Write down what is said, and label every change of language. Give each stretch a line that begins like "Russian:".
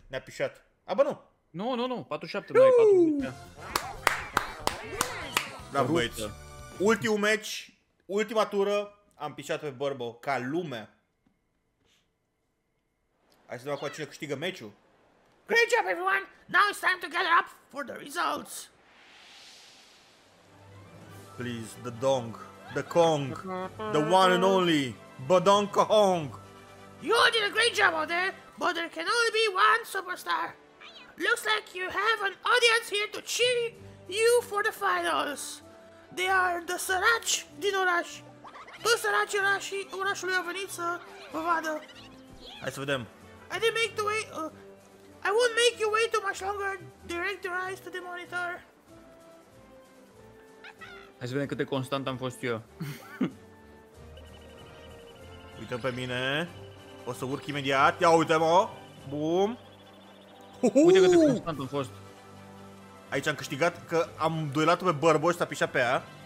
Romanian: Ne-a pișat. A, bă, nu! Nu, 47, nu ai 47. Da, băieți. Ultimul match, ultima tură. Am pișat pe Bărbo, ca lume. Hai să dăm acum cine câștigă match-ul.
English: Great job, everyone! Now it's time to gather up for the results! Please, the dong, the kong, the one and only, Badonkahong! You all did a great job out there, but there can only be one superstar! Looks like you have an audience here to cheer you for the finals! They are the
Romanian: Sărăci din oraș! Toți săracii orașului au venit să vă vadă! Hai să vedem!
English: I didn't make the way... I won't make you wait too much longer. Direct your eyes to the monitor.
Romanian: Hai să vedem cât de constant am fost eu. Uite pe mine. O să urc imediat. Ia uite-mă. Boom. Uite cât de constant am fost. Aici am câștigat că am duelat-o pe Bărbo și s-a pișat pe ea.